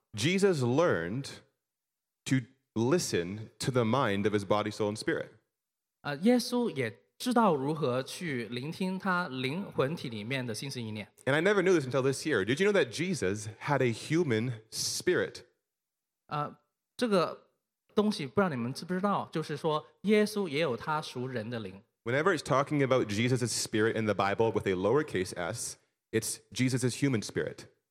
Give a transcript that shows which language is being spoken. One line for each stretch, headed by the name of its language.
English: Jesus learned to listen to the mind of his body, soul, and spirit.
Chinese: 耶稣也知道如何去聆听他灵魂体里面的心思意念。
English: And I never knew this until this year. Did you know that Jesus had a human spirit?
Chinese: 这个东西不知道你们知不知道,就是说耶稣也有他属人的灵。
English: Whenever it's talking about Jesus' spirit in the Bible with a lowercase s, it's Jesus' human spirit.